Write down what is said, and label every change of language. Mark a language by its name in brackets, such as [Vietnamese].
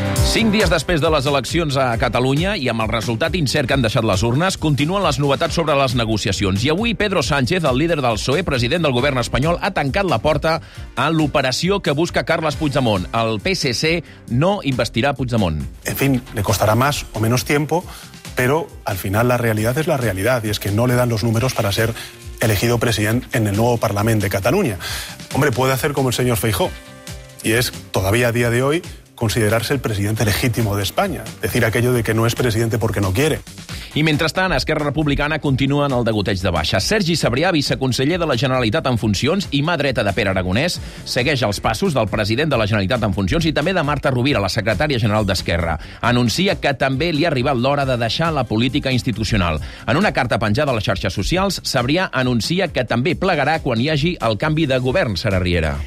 [Catalan] Cinc dies després de les eleccions a Catalunya i amb el resultat incert que han deixat les urnes, continuen les novetats sobre les negociacions. I avui Pedro Sánchez, el líder del PSOE, president del govern espanyol, ha tancat la porta a l'operació que busca Carles Puigdemont. El PSC no investirà Puigdemont. [Spanish] En fin, le costará más o menos tiempo, pero al final la realidad es la realidad y es que no le dan los números para ser elegido president en el nuevo Parlament de Catalunya. Hombre, puede hacer como el señor Feijó y es todavía a día de hoy considerarse el presidente legítimo de España. Decir aquello de que no es presidente porque no quiere. [Catalan] I mentrestant, Esquerra Republicana continua en el degoteig de baixa. Sergi Sabrià, viceconseller de la Generalitat en funcions i mà dreta de Pere Aragonès, segueix els passos del president de la Generalitat en funcions i també de Marta Rovira, la secretària general d'Esquerra. Anuncia que també li ha arribat l'hora de deixar la política institucional. En una carta penjada a les xarxes socials, Sabrià anuncia que també plegarà quan hi hagi el canvi de govern, Sara Riera.